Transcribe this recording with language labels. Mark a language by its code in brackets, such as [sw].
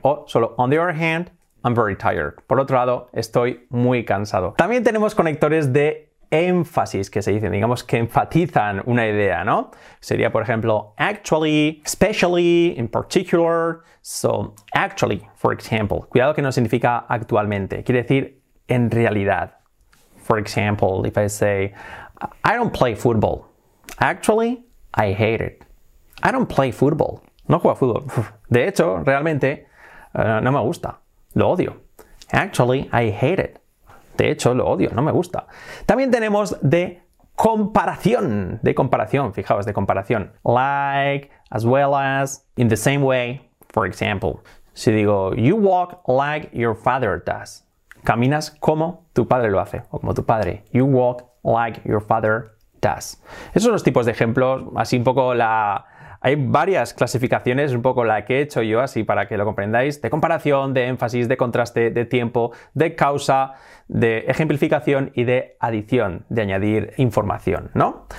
[es] O solo [en] on the other hand, I'm very tired. [es] Por otro lado, estoy muy cansado. También tenemos conectores de énfasis que se dicen, digamos que enfatizan una idea, ¿no? Sería, por ejemplo, [en] actually, especially, in particular. So, actually, for example. [es] Cuidado que no significa actualmente. Quiere decir en realidad. [en] For example, if I say, I don't play football. Actually, I hate it. I don't play football. [es] No juego a fútbol. De hecho, realmente, no me gusta. Lo odio. [en] Actually, I hate it. [es] De hecho, lo odio. No me gusta. También tenemos de comparación. De comparación, fijaos, de comparación. [en] Like, as well as, in the same way, for example. [es] Si digo, [en] you walk like your father does. [es] Caminas como tu padre lo hace, o como tu padre. [en] You walk like your father does. [es] Esos son los tipos de ejemplos, así un poco la... Hay varias clasificaciones, un poco la que he hecho yo así para que lo comprendáis, de comparación, de énfasis, de contraste, de tiempo, de causa, de ejemplificación y de adición, de añadir información, ¿no?